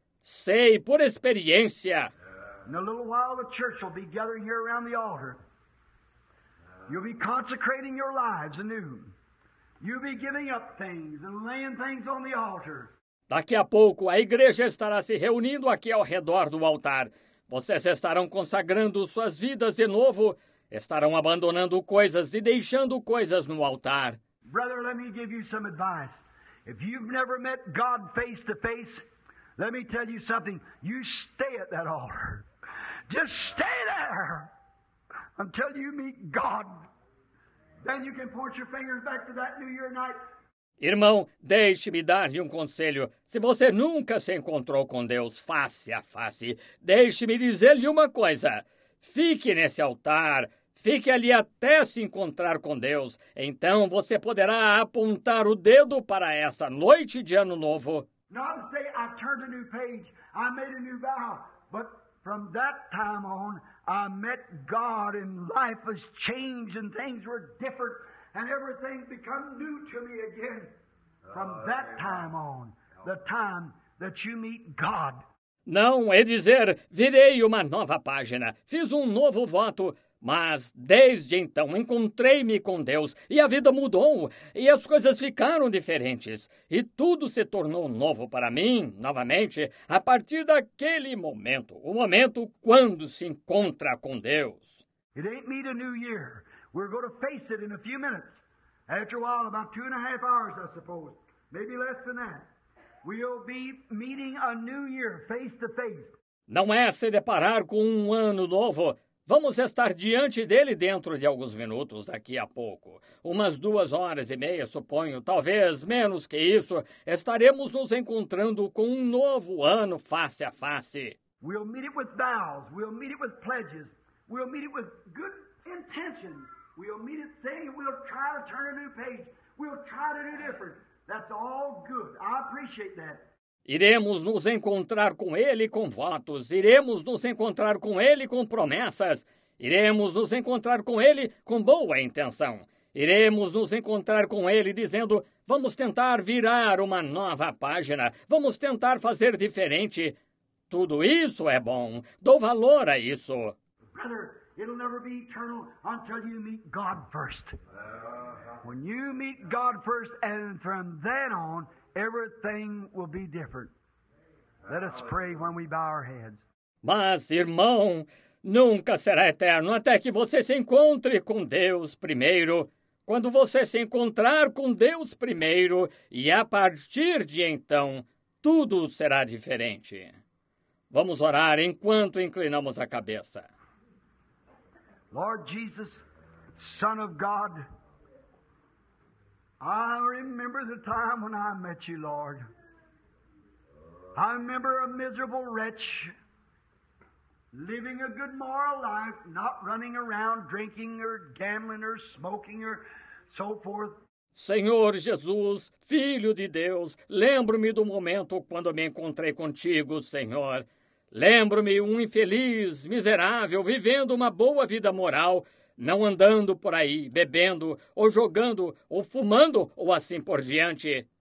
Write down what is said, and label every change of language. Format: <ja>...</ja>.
<pt>Sei por experiência.</pt> <en>In a little while, the church will be gathering here around the altar. You'll be consecrating your lives anew. You'll be giving up things and laying things on the altar.</en> <pt>Daqui a pouco, a igreja estará se reunindo aqui ao redor do altar. Vocês estarão consagrando suas vidas de novo. Estarão abandonando coisas e deixando coisas no altar.</pt> <en>Brother, let me give you some advice. If you've never met God face to face, let me tell you something. You stay at that altar. Just stay there. Until you meet God, then you can point your fingers back to that New Year night.</en> <pt>Irmão, deixe-me dar-lhe um conselho. Se você nunca se encontrou com Deus face a face, deixe-me dizer-lhe uma coisa. Fique nesse altar. Fique ali até se encontrar com Deus. Então você poderá apontar o dedo para essa noite de ano novo.</pt> <en>Not say I turned a new page, I made a new vow, but from that time on, I met God and life has changed and things were different and everything become new to me again. From that time on, the time that you meet God.</en> <pt>Não é dizer, virei uma nova página, fiz um novo voto, mas desde então encontrei-me com Deus e a vida mudou e as coisas ficaram diferentes e tudo se tornou novo para mim, novamente, a partir daquele momento, o momento quando se encontra com Deus.</pt> <en>It ain't meet a new year. We're going to face it in a few minutes. After a while, about 2.5 hours, I suppose, maybe less than that, we'll be meeting a new year face to face.</en> <pt>Não é se deparar com um ano novo. Vamos estar diante dele dentro de alguns minutos, daqui a pouco. Umas 2 horas e meia, suponho, talvez menos que isso, estaremos nos encontrando com um novo ano face a face.</pt> <en>We'll meet it with vows, we'll meet it with pledges, we'll meet it with good intentions. We'll meet it saying we'll try to turn a new page, we'll try to do different. That's all good. I appreciate that.</en> <pt>Iremos nos encontrar com ele com votos. Iremos nos encontrar com ele com promessas. Iremos nos encontrar com ele com boa intenção. Iremos nos encontrar com ele dizendo: vamos tentar virar uma nova página. Vamos tentar fazer diferente. Tudo isso é bom. Dou valor a isso.</pt> <en>Brother, it'll never be eternal until you meet God first. When you meet God first, and from then on, everything will be different. Let us pray when we bow our heads.</en> <pt>Mas, irmão, nunca será eterno até que você se encontre com Deus primeiro. Quando você se encontrar com Deus primeiro, e a partir de então, tudo será diferente. Vamos orar enquanto inclinamos a cabeça.</pt> <en>Lord Jesus, Son of God, I remember the time when I met you, Lord. I remember a miserable wretch living a good moral life, not running around drinking or gambling or smoking or so forth.</en> <pt>Senhor Jesus, Filho de Deus, lembro-me do momento quando me encontrei contigo, Senhor. Lembro-me um infeliz, miserável, vivendo uma boa vida moral, não andando por aí, bebendo, ou jogando, ou fumando, ou assim por diante.</pt>